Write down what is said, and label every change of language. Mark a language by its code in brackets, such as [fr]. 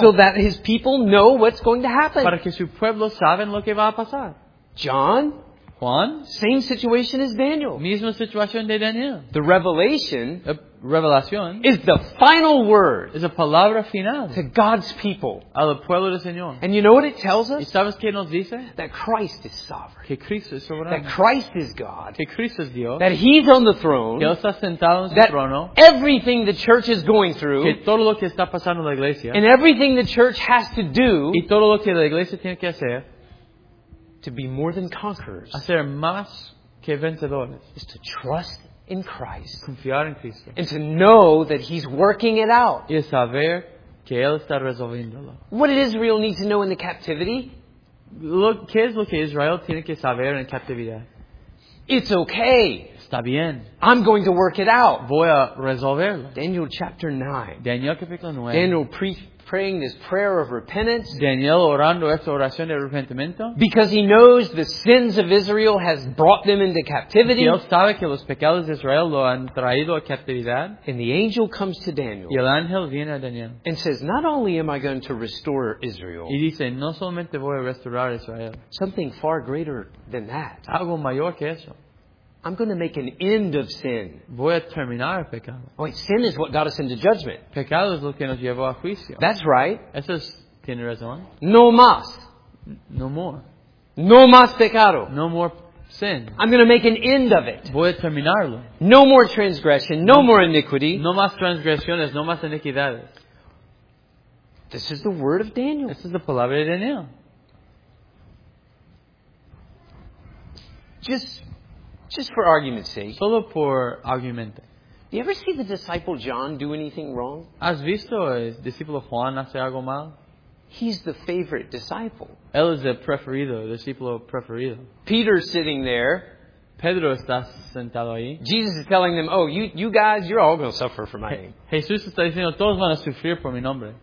[en] So that his people know what's going to happen. [es] Para que su pueblo saben lo que va a pasar. [en] John. [es] Juan. [en] Same situation as Daniel. [es] Misma situación de Daniel. [en] The revelation. [es] Revelación. [en] Is the final word. [es] Es la palabra final. [en] To God's people. [es] Al pueblo del Señor. [en] And you know what it tells us? [es] ¿Y sabes qué nos dice? [en] That Christ is sovereign. [es] Que Cristo es soberano. [en] That Christ is God. [es] Que Cristo es Dios. [en] That he's on the throne. [es] Que él está sentado en su [en] that [es] trono. [en] Everything the church is going through. [es] Que todo lo que está pasando en la iglesia. [en] And everything the church has to do. [es] Y todo lo que la iglesia tiene que hacer. [en] To be more than conquerors. [es] Hacer más que vencedores. [en] Is to trust in Christ. [es] Confiar en Cristo. [en] And to know that he's working it out. [es] Y saber que él está resolviéndolo. [en] What did Israel need to know in the captivity? [es] Look, ¿qué es lo que Israel tiene que saber en captividad? [en] It's okay. [es] Está bien. [en] I'm going to work it out. [es] Voy a resolverlo. [en] Daniel chapter 9. [es] Daniel capítulo 9. [en] Daniel praying this prayer of repentance. [es] Daniel orando esta oración de arrepentimiento. [en] Because he knows the sins of Israel has brought them into captivity. [es] Y él sabe que los pecados de Israel lo han traído a captividad. [en] And the angel comes to Daniel. [es] Y el ángel viene a Daniel. [en] And says, not only am I going to restore Israel. [es] Y dice, no solamente voy a restaurar Israel. [en] Something far greater than that. [es] Algo mayor que eso. [en] I'm going to make an end of sin. [es] Voy a terminar el pecado. [en] Wait, sin is what got us into judgment. [es] Pecado es lo que nos llevó a juicio. [en] That's right. [es] Eso es, tiene razón. No más. [en] No more. [es] No más pecado. [en] No more sin. I'm going to make an end of it. [es] Voy a terminarlo. [en] No more transgression. No more iniquity. [es] No más transgresiones. No más iniquidades. [en] This is the word of Daniel. This is the [es] palabra de [en] Daniel. Just for argument's sake. [es] Solo por argumento. [en] Do you ever see the disciple John do anything wrong? [es] ¿Has visto el discípulo Juan hacer algo mal? [en] He's the favorite disciple. [es] Él es el preferido, el discípulo preferido. [en] Peter's sitting there. [es] Pedro está sentado ahí. [en] Jesus is telling them, oh, you guys, you're all going to suffer for my name. [es] Jesús está diciendo, todos van a sufrir por mi nombre.